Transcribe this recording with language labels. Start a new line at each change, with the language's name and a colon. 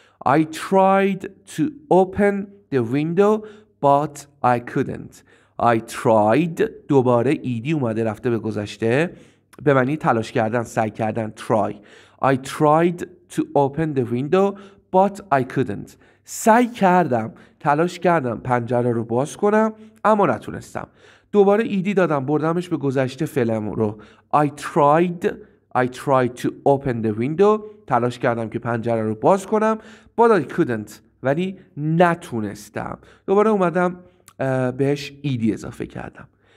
English: I tried to open the window but I couldn't. I tried
Persian: دوباره ایدی اومده رفته به گذشته به معنی تلاش کردن، سعی کردن، try.
English: I tried to open the window but I couldn't.
Persian: سعی کردم، تلاش کردم پنجره رو باز کنم اما نتونستم. دوباره ایدی دادم بردمش به گذشته فعلم رو.
English: I tried to open the window.
Persian: تلاش کردم که پنجره رو باز کنم
English: but I couldn't.
Persian: ولی نتونستم. دوباره اومدم بهش ایدی اضافه کردم.